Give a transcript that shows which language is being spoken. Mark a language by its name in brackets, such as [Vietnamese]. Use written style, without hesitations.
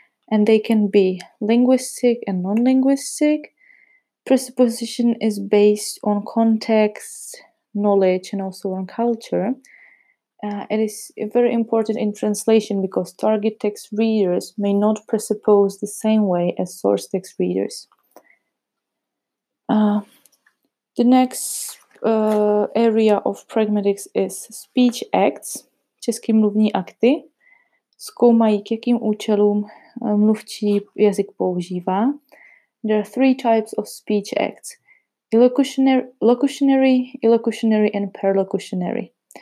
[English] And they can be linguistic and non-linguistic. Presupposition is based on context, knowledge, and also on culture. It is very important in translation because target text readers may not presuppose the same way as source text readers. The next area of pragmatics is speech acts, [Czech] český mluvní akty, zkoumají, k jakým účelům mluvčí jazyk používá. [English] There are three types of speech acts, locutionary, illocutionary, and perlocutionary.